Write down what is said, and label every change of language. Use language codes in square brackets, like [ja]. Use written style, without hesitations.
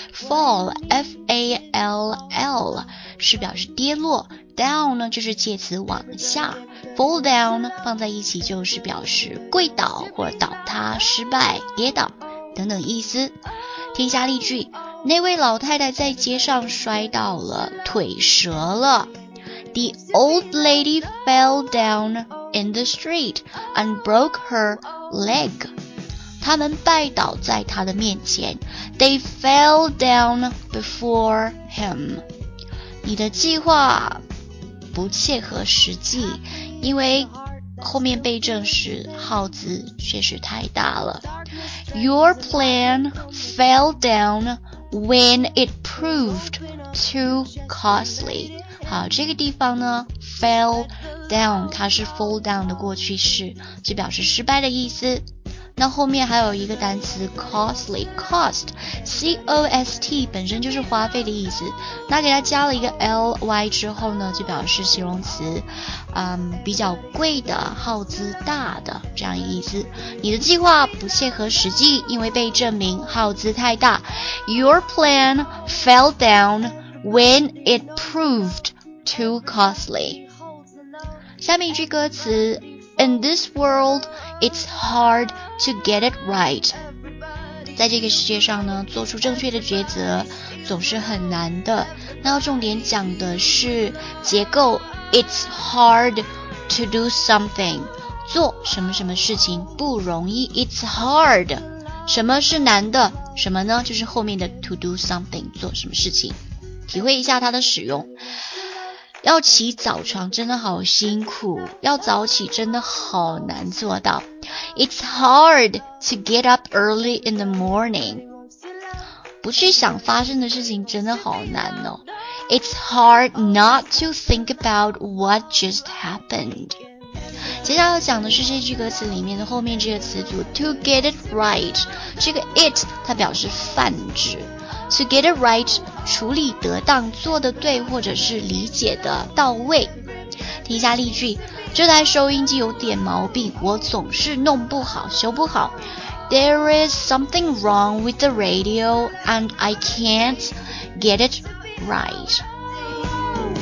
[zh] Fall, F-A-L-L, 是表示跌落。 Down 呢，就是介词往下。Fall down 放在一起就是表示跪倒或倒塌、失败、跌倒等等意思。听一下例句。那位老太太在街上摔倒了，腿折了。 [en] The old lady fell down in the street and broke her leg. [zh] 他们拜倒在他的面前。 [en] They fell down before him. [zh] 你的计划不切合实际，因为后面被证实耗资确实太大了。 [en] Your plan fell down. When it proved too costly. [zh] 好，这个地方呢 fell down, 它是 fall down 的过去式，就表示失败的意思。那后面还有一个单词 costly, cost, C-O-S-T, 本身就是花费的意思。那给它加了一个 L-Y 之后呢，就表示形容词，比较贵的，耗资大的，这样意思。你的计划不切合实际，因为被证明耗资太大。 [en] Your plan fell down when it proved too costly. [zh] 下面一句歌词 [en] In this world, it's hard to get it right. [zh] 在这个世界上呢，做出正确的抉择总是很难的。那要重点讲的是结构 [en] It's hard to do something. [zh] 做什么什么事情不容易 [en] It's hard. [zh] 什么是难的？什么呢？就是后面的 to do something, 做什么事情。体会一下它的使用。要起早床真的好辛苦，要早起真的好难做到。 [en] It's hard to get up early in the morning. [zh] 不去想发生的事情真的好难哦。 [en] It's hard not to think about what just happened. [zh] 接下来要讲的是这句歌词里面的后面这个词组 [en] To get it right. [zh] 这个 it 它表示泛指。 [en] To get it right, [zh] 处理得当，做得对，或者是理解得到位。听一下例句，这台收音机有点毛病，我总是弄不好，修不好。 [en] There is something wrong with the radio, and I can't get it right.